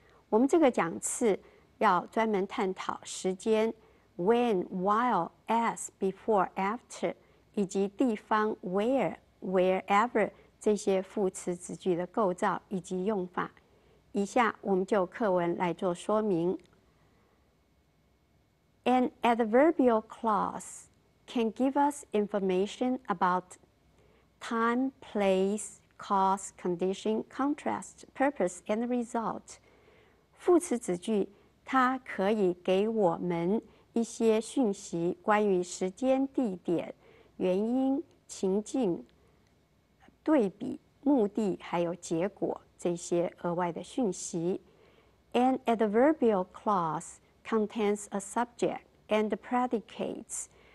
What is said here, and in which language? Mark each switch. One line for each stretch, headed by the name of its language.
Chinese: 我们这个讲次要专门探讨时间
English: When, while, as, before, after,
Chinese: 以及地方
English: where, wherever
Chinese: 这些副词子句的构造以及用法。以下我们就课文来做说明。
English: An adverbial clause can give us information about time, place, cause, condition, contrast, purpose, and result.
Chinese: 副词子句它可以给我们一些讯息关于时间、地点、原因、情境、对比、目的还有结果这些额外的讯息。
English: An adverbial clause contains a subject and predicates.